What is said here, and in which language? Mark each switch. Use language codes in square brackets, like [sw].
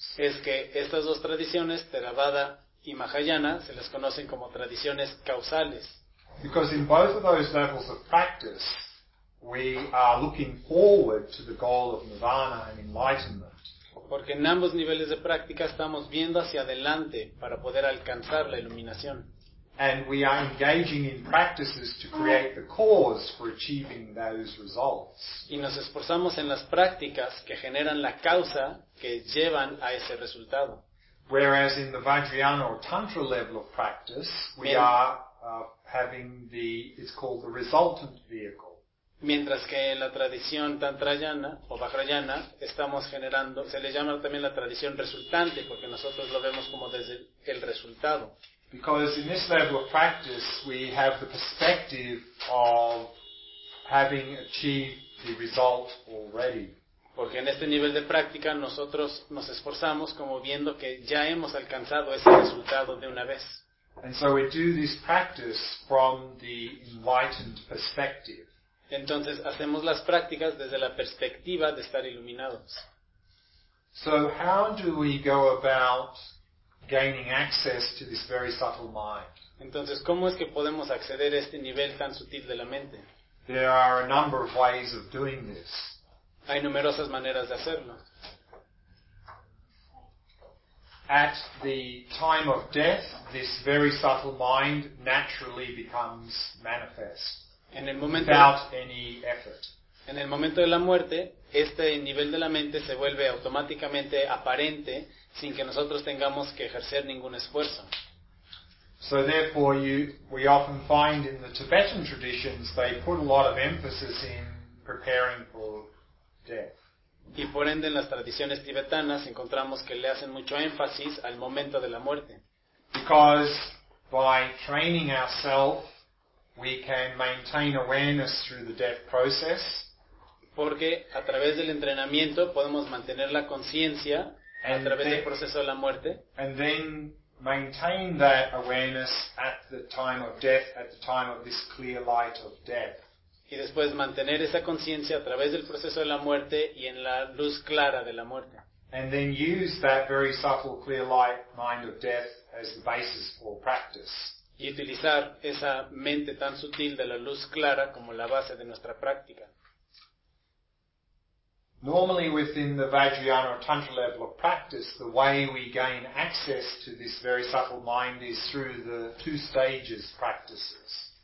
[es] Es que estas dos tradiciones, Theravada y Mahayana, se les conocen como tradiciones causales. [en] Because in both of those levels of practice, we are looking forward to the goal of nirvana and enlightenment. [es] Porque en ambos niveles de práctica estamos viendo hacia adelante para poder alcanzar la iluminación. [en] And we are engaging in practices to create the cause for achieving those results. [es] Y nos esforzamos en las prácticas que generan la causa que llevan a ese resultado. [en] Whereas in the Vajrayana or Tantra level of practice, we are having the, it's called the resultant vehicle. [es] Mientras que en la tradición Tantrayana o Vajrayana estamos generando, se le llama también la tradición resultante porque nosotros lo vemos como desde el resultado. [en] Because in this level of practice, we have the perspective of having achieved the result already. [es] Porque en este nivel de práctica, nosotros nos esforzamos como viendo que ya hemos alcanzado ese resultado de una vez. [en] And so we do this practice from the enlightened perspective. [es] Entonces, hacemos las prácticas desde la perspectiva de estar iluminados. [en] So how do we go about gaining access to this very subtle mind? [es] Entonces, ¿cómo es que podemos acceder a este nivel tan sutil de la mente? [en] There are a number of ways of doing this. [es] Hay numerosas maneras de hacerlo. [en] At the time of death, this very subtle mind naturally becomes manifest. [es] En el momento [en] without any effort. [es] En el momento de la muerte, este nivel de la mente se vuelve automáticamente aparente sin que nosotros tengamos que ejercer ningún esfuerzo. [en] So therefore we often find in the Tibetan traditions they put a lot of emphasis in preparing for death. [es] Y por ende en las tradiciones tibetanas encontramos que le hacen mucho énfasis al momento de la muerte. [en] Because by training ourselves we can maintain awareness through the death process. [es] Porque a través del entrenamiento podemos mantener la conciencia a través del proceso de la muerte. [en] And then maintain that awareness at the time of death, at the time of this clear light of death. [es] Y después mantener esa conciencia a través del proceso de la muerte y en la luz clara de la muerte. [en] And then use that very subtle clear light mind of death as the basis for practice. [es] Y utilizar esa mente tan sutil de la luz clara como la base de nuestra práctica. [en] Normally within the Vajrayana or Tantra level of practice, the way we gain access to this very subtle mind is through the two stages practices.